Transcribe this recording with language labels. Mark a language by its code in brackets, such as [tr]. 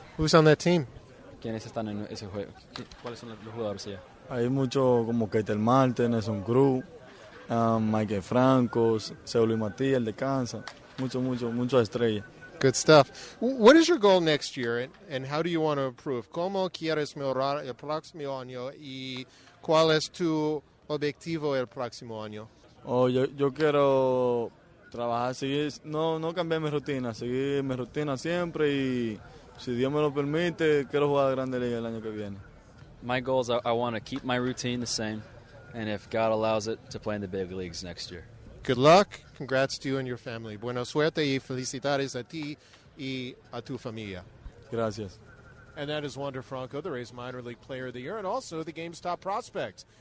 [en] Who's on that team? [es] ¿Quiénes están en ese juego? ¿Cuáles son los jugadores allá? Hay mucho como Keitel Marte, Nelson Cruz, Michael Franco, Seuli Matías, el de Kansas, mucho estrella. [en] Good stuff. What is your goal next year, and how do you want to improve? [es] ¿Cómo quieres mejorar el próximo año, y cuál es tu objetivo el próximo año? Oh, yo quiero trabajar, no cambiar mi rutina, seguir mi rutina siempre, y si Dios me lo permite, quiero jugar a la Grande Liga el año que viene. [en] My goal is I want to keep my routine the same, and if God allows it, to play in the big leagues next year. Good luck. Congrats to you and your family. [es] Buena suerte y felicidades a ti y a tu familia. Gracias. [en] And that is Wander Franco, the Rays Minor League Player of the Year, and also the game's top prospect.